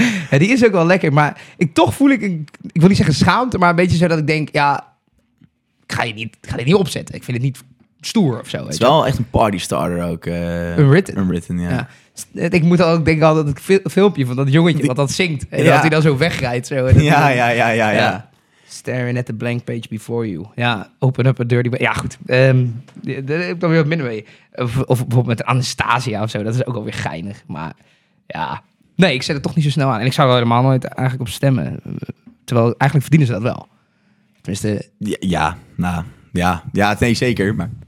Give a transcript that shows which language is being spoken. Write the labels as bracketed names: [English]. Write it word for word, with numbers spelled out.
[Dutch] Ja, die is ook wel lekker, maar ik, toch voel ik, een, ik wil niet zeggen schaamte, maar een beetje zo dat ik denk, ja, ik ga, je niet, ik ga dit niet opzetten. Ik vind het niet stoer of zo. Het is wel echt een partystarter ook. Uh, Unwritten. Unwritten, ja. Ja. Ik moet ook denken al dat het filmpje van dat jongetje wat dat zingt. En Ja. dat hij dan zo wegrijdt. Zo, en dat Ja, hij- ja, ja, ja, ja. [English] Staring at the blank page before you. [Dutch] Ja, [English] open up a dirty... [Dutch] ba- Ja, goed. Ehm, d- d- daar heb ik dan weer wat minder mee. Of, of bijvoorbeeld met Anastasia of zo. Dat is ook alweer geinig. Maar ja... Nee, ik zet het toch niet zo snel aan. En ik zou er helemaal nooit eigenlijk op stemmen. Terwijl eigenlijk verdienen ze dat wel. Tenminste, Ja, ja, nou, ja, ja, nee, zeker. Maar